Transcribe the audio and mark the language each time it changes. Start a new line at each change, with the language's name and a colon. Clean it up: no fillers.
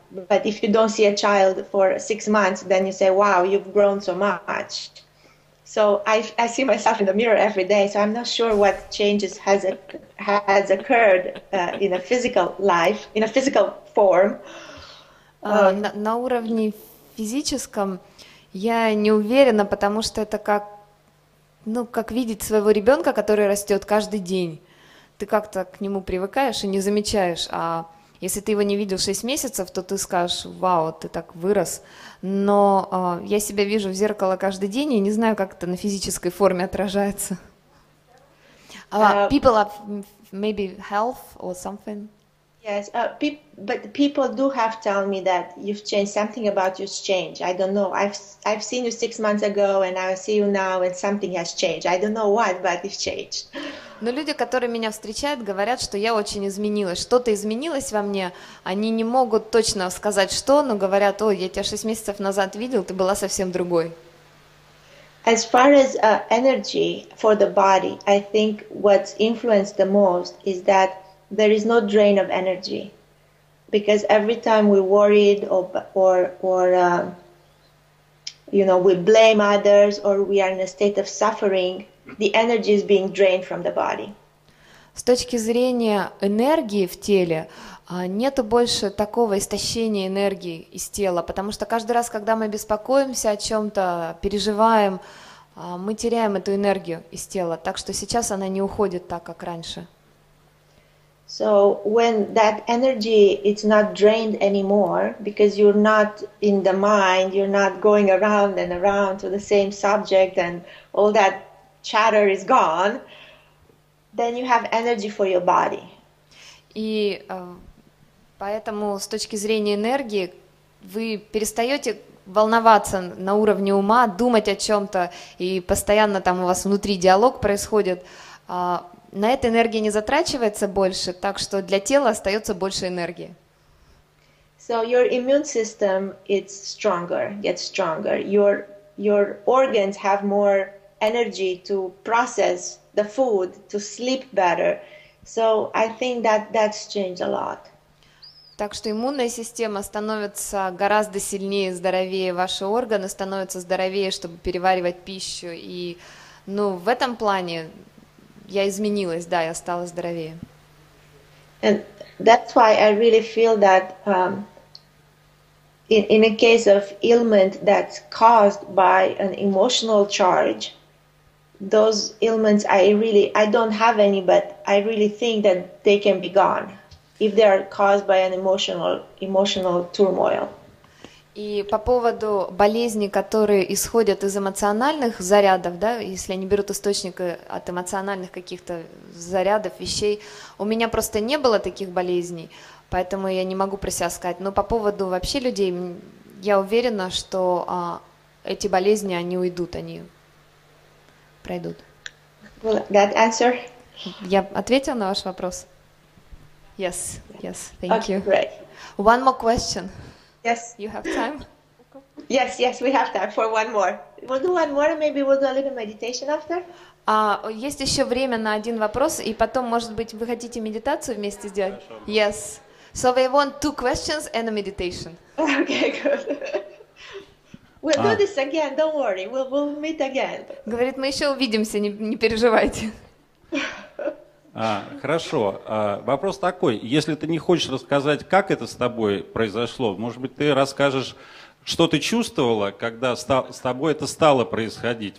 English: But if you don't see a child for 6 months, then you say, wow, you've grown so much. So I see myself in the mirror every day, so I'm not sure what changes has occurred in a physical life, in a physical form.
Russian: На уровне физическом я не уверена, потому что это как, ну, как видеть своего ребенка, который растет каждый день. Ты как-то к нему привыкаешь и не замечаешь. А если ты его не видел 6 месяцев, то ты скажешь, вау, ты так вырос. Но я себя вижу в зеркало каждый день, и не знаю, как это на физической форме отражается.
English: People have maybe health or something. Yes, but people do have tell me that you've changed, something about you's changed. I don't know. I've seen you 6 months ago, and I see you now, and something has changed. I don't know what, but it's changed.
Russian: Но люди, которые меня встречают, говорят, что я очень изменилась, что-то изменилось во мне. Они не могут точно сказать, что, но говорят, о, я тебя 6 месяцев назад видел, ты была совсем другой.
English: As far as energy for the body, I think what's influenced the most is that there is no drain of energy, because every time we worried we blame others or we are in a state of suffering, the energy is being drained from the body.
Russian: С точки зрения энергии в теле нету больше такого истощения энергии из тела, потому что каждый раз, когда мы беспокоимся о чем-то, переживаем, мы теряем эту энергию из тела, так что сейчас она не уходит так, как раньше.
English: So when that energy it's not drained anymore, because you're not in the mind, you're not going around and around to the same subject and all that chatter is gone, then you have energy for your body.
Russian: И поэтому с точки зрения энергии вы перестаете волноваться на уровне ума, думать о чем-то, и постоянно там у вас внутри диалог происходит. На это энергия не затрачивается больше, так что для тела остается больше энергии.
English: So your immune system it's stronger, gets stronger. Your organs have more energy to process the food, to sleep better. So I think that that's changed a lot.
Russian: Так что иммунная система становится гораздо сильнее, здоровее, ваши органы становятся здоровее, чтобы переваривать пищу, и, ну, в этом плане я изменилась, да, я стала здоровее.
English: And that's why I really feel that in a case of ailment that's caused by an emotional charge, those ailments I don't have any, but I really think that they can be gone if they are caused by an emotional turmoil.
Russian: И по поводу болезней, которые исходят из эмоциональных зарядов, да, если они берут источник от эмоциональных каких-то зарядов, вещей, у меня просто не было таких болезней, поэтому я не могу про себя сказать. Но по поводу вообще людей, я уверена, что эти болезни, они уйдут, они пройдут.
English: Will that answer?
Russian: Я ответила на ваш вопрос?
English: Yes, yes, thank okay, Great. One more question. Yes. You have time? Yes, yes, we have time for one more. We'll do one more, maybe we'll do a little meditation after.
Russian: Есть еще время на один вопрос, и потом, может быть, вы хотите медитацию вместе сделать? Хорошо.
English: Yes. So we want two questions and a meditation. Okay, good. We'll do this again, don't worry. We'll meet again.
Russian: Говорит, мы еще увидимся, не переживайте. Хорошо. Вопрос такой. Если ты не хочешь рассказать, как это с тобой произошло, может быть, ты расскажешь, что ты чувствовала, когда с тобой это стало происходить.